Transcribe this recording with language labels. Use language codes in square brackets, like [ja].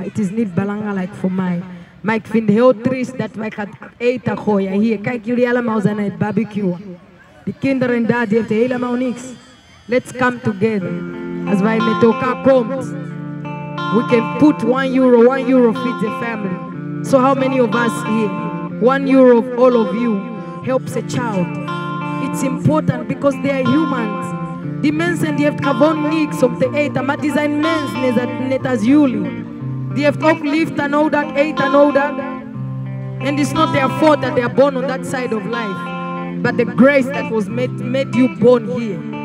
[nl] Het is niet belangrijk voor mij. Maar ik vind het heel triest dat wij gaan eten gooien hier. Kijk, jullie allemaal zijn aan het barbecue. Die kinderen daar, die hebben helemaal niks. [en] Let's come together. [nl] Als wij met elkaar komen, [en] we can put 1 euro. 1 euro feeds the family. So how many of us here? 1 euro of all of you helps a child. It's important because they are humans. [nl] Die mensen die heeft gewoon niks om te eten, maar die zijn mensen net als jullie. Die heeft ook liefde en al dat eten en al dat. [en] And it's not their fault that they are born on that side of life. But the grace that was made you born here.